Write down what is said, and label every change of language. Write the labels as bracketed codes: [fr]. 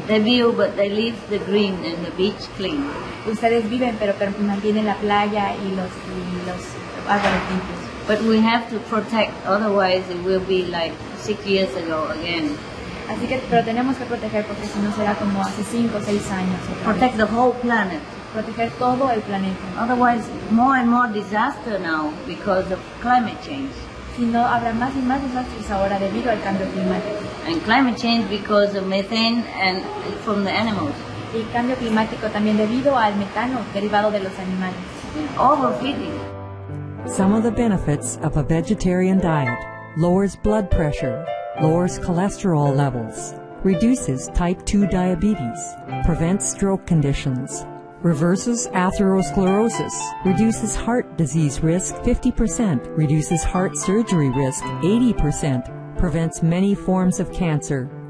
[en] They view, but they leave the green and the beach clean. [es] Ustedes viven, pero mantienen la playa y los árboles limpios. [en] But we have to protect, otherwise it will be like 6 years ago again. [es] Así que, pero tenemos que proteger porque si no será como hace 5 o 6 años. [en] Protect the whole planet. [es] Proteger todo el planeta. [en] Otherwise, more and more disaster now because of climate change. [es] Si no, habrá más y más desastres ahora debido al cambio climático. [en] And climate change because of methane and from the animals. [es] Y cambio climático también debido al metano derivado de los animales. [en] Overfeeding. Some of the benefits of a vegetarian diet: lowers blood pressure, lowers cholesterol levels, reduces type 2 diabetes, prevents stroke conditions, reverses atherosclerosis, reduces heart disease risk 50%, reduces heart surgery risk 80%, prevents many forms of cancer,